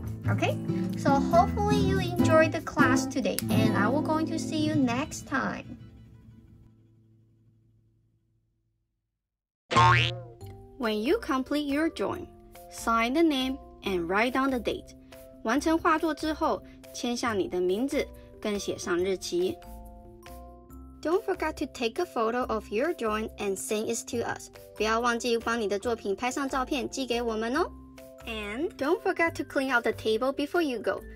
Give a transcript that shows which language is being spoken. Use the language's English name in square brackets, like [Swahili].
[English] Okay, so hopefully you enjoyed the class today, and I will going to see you next time. When you complete your drawing, sign the name and write down the date. [Chinese] 完成画作之后，签下你的名字，更写上日期。 [English] Don't forget to take a photo of your drawing and send it to us. [Chinese] 不要忘记帮你的作品拍上照片寄给我们哦。 [English] And don't forget to clean out the table before you go.